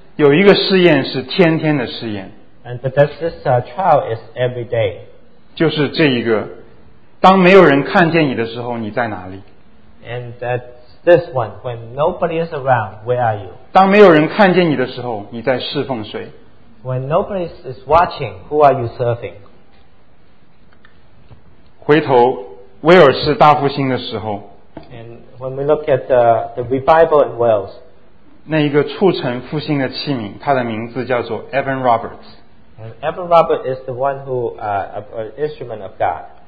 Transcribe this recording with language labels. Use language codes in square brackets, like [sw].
[zh] 有一个试验是天天的试验 [en] But this trial is every day. [zh] 就是这一个当没有人看见你的时候你在哪里 [en] And that's this one. When nobody is around, where are you? [zh] 当没有人看见你的时候你在侍奉谁 [en] When nobody is watching, who are you serving? [zh] 回头威尔士大复兴的时候 [en] And when we look at the revival in Wales, [zh] 那一个促成复兴的器皿，他的名字叫做 Evan Roberts. [en] And Evan Roberts is the one who an instrument of God.